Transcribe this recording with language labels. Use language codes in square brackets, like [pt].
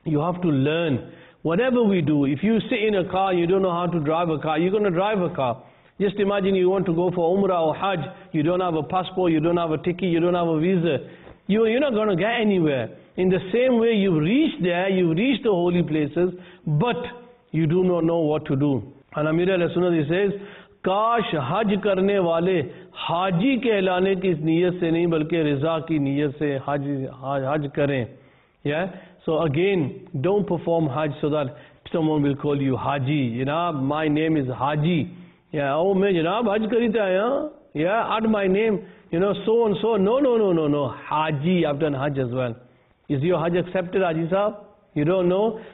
[en] You have to learn. Whatever we do, if you sit in a car and you don't know how to drive a car, you're going to drive a car. Just imagine you want to go for Umrah or Hajj, you don't have a passport, you don't have a ticket, you don't have a visa. You're not going to get anywhere. In the same way, you've reached there, you've reached the holy places, but you do not know what to do. And Amir al-Sunnah, he says, [ur] کاش حج کرنے والے حاجی کہلانے کی اس نیت سے نہیں بلکہ رضا کی نیت سے حج کریں. [en] Yeah? So again, don't perform Hajj so that someone will call you Haji. Janab, my name is Haji. Yeah, oh, [ur] main janab Hajj kari tha, [en] yeah? Yeah, add my name. You know, so and so. No. Haji, I've done Hajj as well. Is your Hajj accepted, Haji sahab? You don't know?